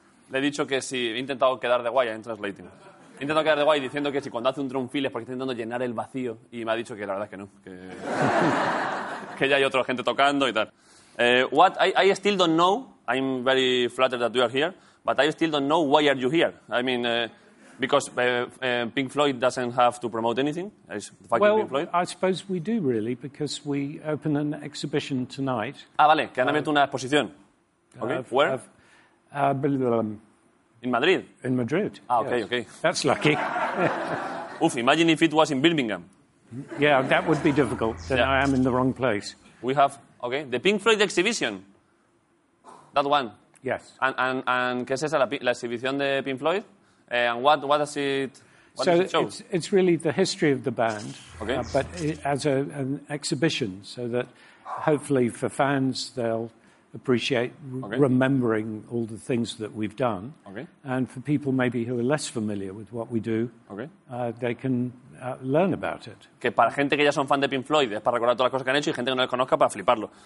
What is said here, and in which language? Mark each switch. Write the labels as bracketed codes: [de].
[es] le he dicho que si he intentado quedar de guay en translating. Intento quedar de guay diciendo que si cuando hace un drum fill es porque está intentando llenar el vacío. Y me ha dicho que la verdad es que no. Que ya hay otra gente tocando y tal. [en] What I still don't know. I'm very flattered that you are here. But I still don't know why are you here. I mean, because Pink Floyd doesn't have to promote anything. It's fucking well, Pink Floyd. I suppose we do really because we open an exhibition tonight. [es] Ah, vale. Que han abierto una exposición. [en] Okay. Where? In Madrid? In Madrid. Ah, okay, yes. Okay. That's lucky. Oof, imagine if it was in Birmingham. Yeah, that would be difficult. Then yeah. I am in the wrong place. We have, okay, the Pink Floyd exhibition. That one. Yes. And [es] ¿qué es esa, la exhibición de Pink Floyd? [en] And what does it, what so does it show? It's really the history of the band, okay. But it, as an exhibition, so that hopefully for fans they'll appreciate remembering all the things that we've done. Okay. And for people maybe who are less familiar with what we do, they can learn about it. [es] Que para gente que ya son fan de Pink Floyd, es para recordar todas las cosas que han hecho y gente que no les conozca para fliparlo.